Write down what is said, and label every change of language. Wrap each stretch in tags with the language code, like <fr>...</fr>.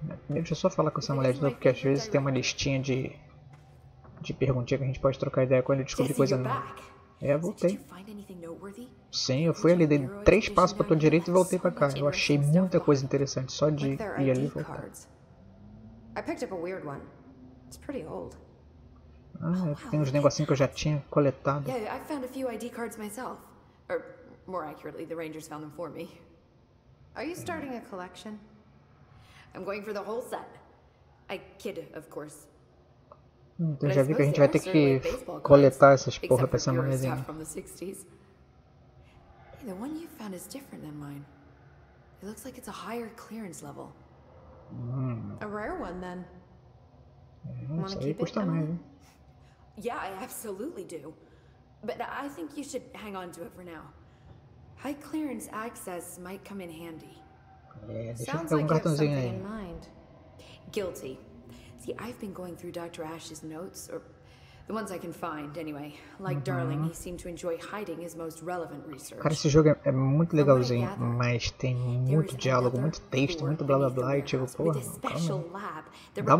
<pt>Primeiro, deixa eu só falar com essa mulher de novo, porque às vezes tem uma listinha de perguntinha que a gente pode trocar ideia quando eu descobri coisa nova. É, voltei. Sim, eu fui ali, dei 3 passos pra tua direita e voltei pra cá. Eu achei muita coisa interessante só de ir ali e voltar. Eu peguei um</pt> <en>weird one. It's pretty old.</en> <pt>Ah, tem uns negocinhos que eu já tinha coletado.</pt> <en>Yeah, I found a few ID cards myself. Or more accurately, the Rangers found them for me. Are you starting a collection? I'm going for the whole set. I kid, of course.</en> <pt>Então já vi que a gente vai ter que coletar essas porra pra essa manezinha.</pt> <en>Hey, the one you found is different than mine. It looks like it's a higher clearance level. A rare one then.</en> <pt>Isso aí custa mais, hein?</pt> <en>Yeah, I absolutely do. But I think you should hang on to it for now. High clearance access might come in handy. Sounds like you have something in mind. Guilty. See, I've been going through Dr. Ash's notes, or the ones I can find, anyway. Like Darling, he seemed to enjoy hiding his most relevant research.</en> <pt>Cara, esse jogo é muito legalzinho, mas tem muito diálogo, muito texto, muito blá blá blá, e tipo, porra, calma.</pt>